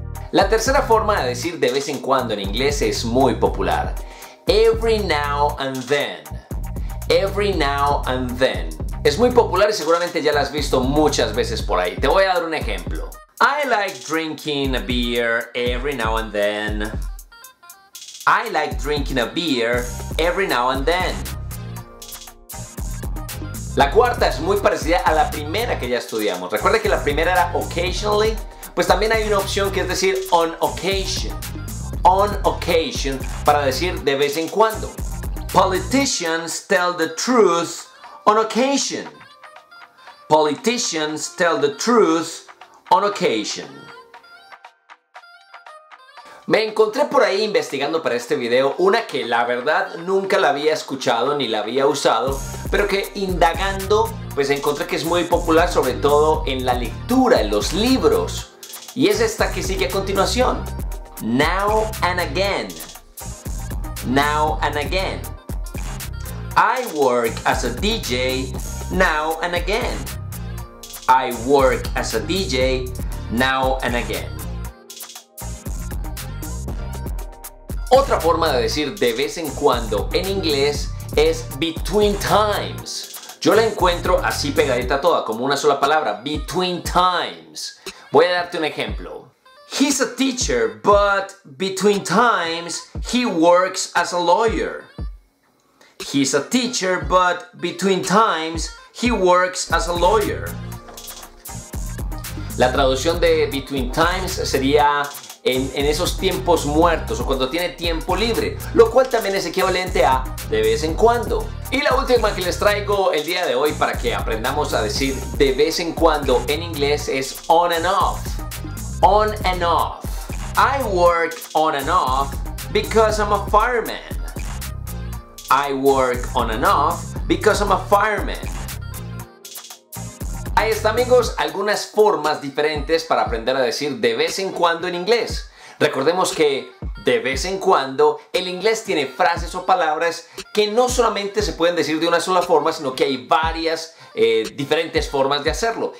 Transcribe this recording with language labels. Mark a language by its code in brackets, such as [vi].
[es] La tercera forma de decir de vez en cuando en inglés es muy popular. [en] Every now and then. Every now and then. [es] Es muy popular y seguramente ya la has visto muchas veces por ahí. Te voy a dar un ejemplo. [en] I like drinking a beer every now and then. I like drinking a beer every now and then. [es] La cuarta es muy parecida a la primera que ya estudiamos. Recuerda que la primera era occasionally. Pues también hay una opción que es decir on occasion. On occasion para decir de vez en cuando. [en] Politicians tell the truth on occasion. Politicians tell the truth on occasion. [es] Me encontré por ahí investigando para este video una que la verdad nunca la había escuchado ni la había usado, pero que indagando pues encontré que es muy popular sobre todo en la lectura, en los libros. Y es esta que sigue a continuación. [en] Now and again. Now and again. I work as a DJ now and again. I work as a DJ now and again. [es] Otra forma de decir de vez en cuando en inglés es between times. Yo la encuentro así pegadita toda, como una sola palabra, between times. Voy a darte un ejemplo. [en] He's a teacher, but between times he works as a lawyer. He's a teacher, but between times he works as a lawyer. [es] La traducción de between times sería en esos tiempos muertos o cuando tiene tiempo libre, lo cual también es equivalente a de vez en cuando. Y la última que les traigo el día de hoy para que aprendamos a decir de vez en cuando en inglés es on and off. [en] On and off. I work on and off because I'm a fireman. I work on and off because I'm a fireman. [es] Ahí está, amigos, algunas formas diferentes para aprender a decir de vez en cuando en inglés. Recordemos que de vez en cuando el inglés tiene frases o palabras que no solamente se pueden decir de una sola forma, sino que hay varias diferentes formas de hacerlo.